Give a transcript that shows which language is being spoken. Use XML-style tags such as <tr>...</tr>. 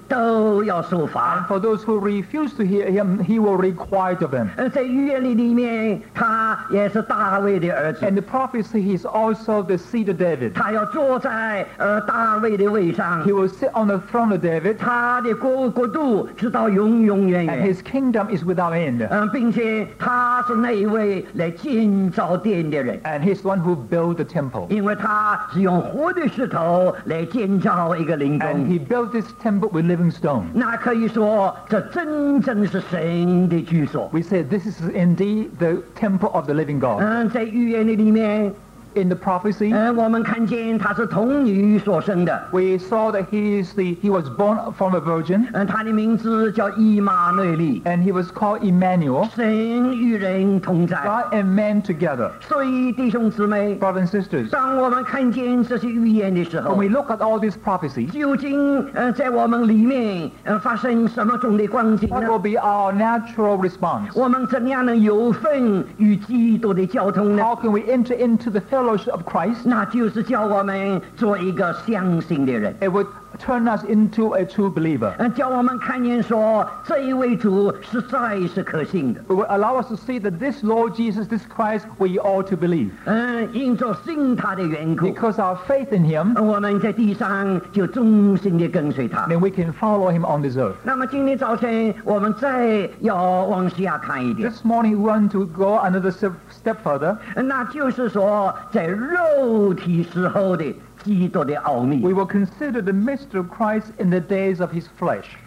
<en>and for those who refuse to hear Him, He will require of them.</en> <zh>在预言里面,</zh> <en>and the prophecy, He is also the seed of David.</en> <zh>坐在大卫的位上,</zh> <en>He will sit on the throne of David,</en> <zh>他的国度直到永永远远,</zh> <en>and His kingdom is without end,</en> <zh>并且他是那一位来建造殿的人,</zh> <en>and He's the one who built the temple,</en> <zh>因为他是用活的石头来建造一个灵宫,</zh> <en>and He built this temple with living stone.</en> <zh>那可以说这真正是神的居所,</zh> <en>we say this is indeed the temple of the living God.</en> <zh>在预言的里面,</zh> <en>in the prophecy, we saw that he was born from a virgin, and he was called Emmanuel, God and man together.</en> <zh>所以弟兄姊妹,</zh> <en>brothers and sisters, when we look at all these prophecies,</en> <zh>究竟在我们里面,</zh> <en>what will be our natural response?</en> <zh>我们怎样能有份与基督的交通呢?</zh> <en>How can we enter into the fellowship of Christ? It would turn us into a true believer.</en> <zh>叫我们看见说这一位主实在是可信的。</zh> <en>It will allow us to see that this Lord Jesus, this Christ, we ought to believe.</en> <zh>因着信他的缘故,</zh> <en>because our faith in him,</en> <zh>我们在地上就忠心地跟随他。</zh> <en>Then we can follow him on this earth.</en> <zh>那么今天早晨我们再要往下看一点。</zh> <en>This morning we want to go another step further.</en> <zh>那就是说在肉体时候的</zh> <en>We will consider the mystery of Christ in the days of his flesh.</en>